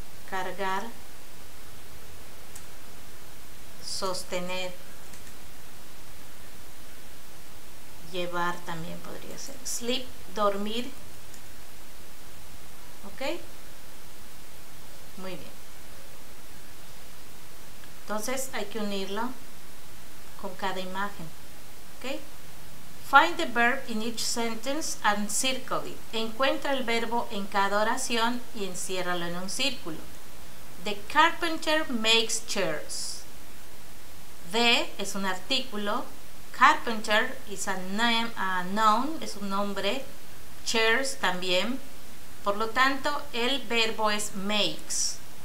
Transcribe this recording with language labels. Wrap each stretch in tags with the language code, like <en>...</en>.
<es>Cargar, sostener, llevar también podría ser, sleep, dormir, ¿ok? Muy bien. Entonces hay que unirlo con cada imagen, ¿ok?</es> <en>Find the verb in each sentence and circle it.</en> <es>Encuentra el verbo en cada oración y enciérralo en un círculo.</es> <en>The carpenter makes chairs. The</en> <es>es un artículo.</es> <en>Carpenter is a name, a noun,</en> <es>es un nombre. Chairs también. Por lo tanto, el verbo es makes.</es>